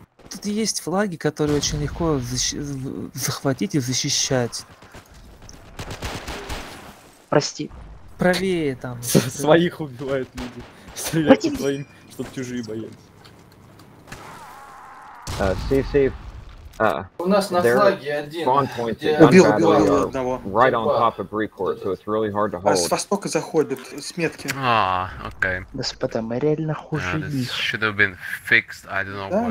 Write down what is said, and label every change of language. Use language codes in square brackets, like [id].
[ru] Тут есть флаги, которые очень легко захватить и защищать. Прости. Правее там. Своих убивают люди. Стреляют по своим, чтоб чужие боялись. Сейф. У нас на флаге один. Убил одного. [en] Right on top of Brecourt, so it's really hard to hold. [ru] С востока заходят, с метки. А, окей. Господа, мы реально хуже них. [en] This should have been fixed, I don't know why.